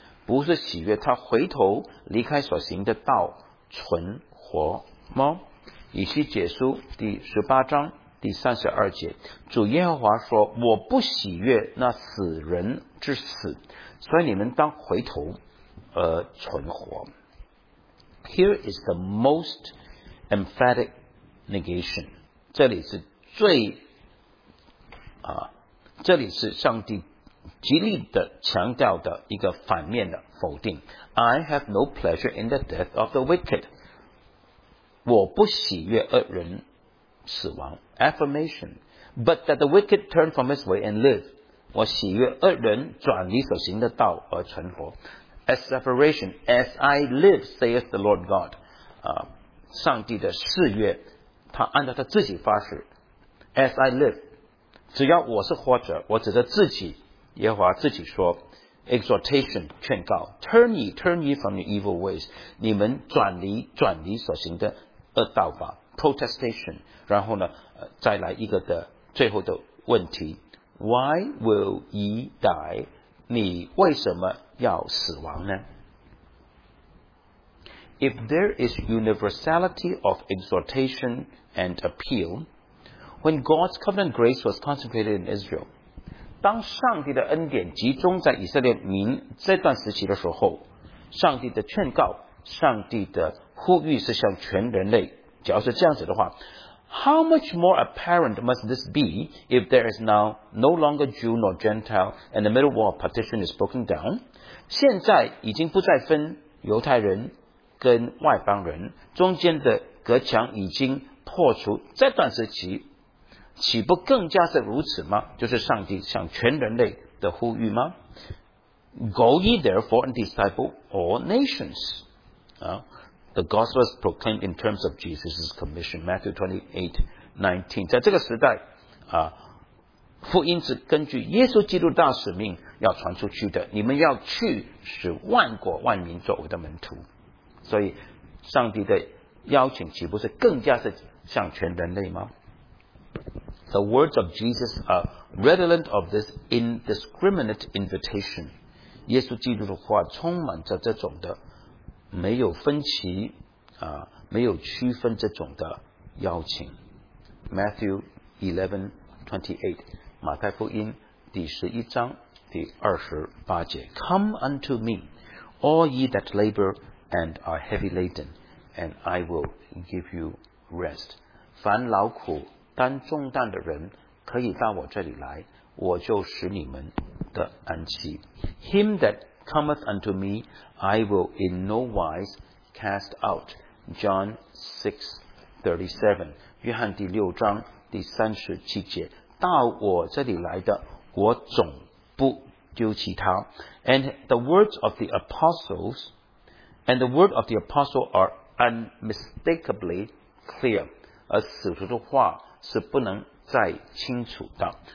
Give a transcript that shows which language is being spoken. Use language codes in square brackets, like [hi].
[zh] 不是喜悦他回头离开所行的道存活么？” 以西结书第18章第32节，主耶和华说：“我不喜悦那死人之死，所以你们当回头而存活。” [en] Here is the most emphatic negation. [zh] 这里是最啊，这里是上帝极力的强调的一个反面的否定。 [en] I have no pleasure in the death of the wicked. [zh] 我不喜悦恶人死亡。 [en] Affirmation. But that the wicked turn from his way and live. [zh] 我喜悦恶人转离所行的道而存活。 [en] Asseveration. As I live, saith the Lord God. [zh] 啊，上帝的誓约，他按照他自己发誓。 [en] As I live, [zh] 只要我是活着，我指着自己，耶和华自己说 ， [en] exhortation [zh] 劝告 ， [en] turn ye from your evil ways， [zh] 你们转离所行的恶道吧 ， [en] protestation， [zh] 然后呢，再来一个的最后的问题 ， [en] Why will ye die？ [zh] 你为什么要死亡呢 [en] ？If there is universality of exhortation and appeal。 When God's covenant grace was concentrated in Israel, [zh] 当上帝的恩典集中在以色列民这段时期的时候，上帝的劝告，上帝的呼吁是向全人类。只要是这样子的话 [en] ，How much more apparent must this be if there is now no longer Jew nor Gentile and the middle wall partition is broken down? [zh] 现在已经不再分犹太人跟外邦人，中间的隔墙已经破除。这段时期。岂不更加是如此吗？就是上帝向全人类的呼吁吗 ？ [en] Go ye therefore and disciple all nations. The gospel is proclaimed in terms of Jesus' commission, Matthew 28:19. [zh] 在这个时代啊，福音是根据耶稣基督大使命要传出去的。你们要去，使万国万民作为的门徒。所以，上帝的邀请岂不是更加是向全人类吗？ [en] The words of Jesus are redolent of this indiscriminate invitation. [zh] 耶稣基督的话充满着这种的没有分歧啊，没有区分这种的邀请。 [en] Matthew 11:28， [zh] 马太福音第十一章第28节 [en] ，Come unto me, all ye that labor and are heavy laden, and I will give you rest. [zh] 凡劳苦担重担的人可以到我这里来，我就使你们的安息。 [en] Him that cometh unto me, I will in no wise cast out. [zh] John 6:37， 约翰第六章第37节，到我这里来的，我总不丢弃他。 [en] And the word of the apostle are unmistakably clear. [zh] 而使徒的话是不能再清楚的。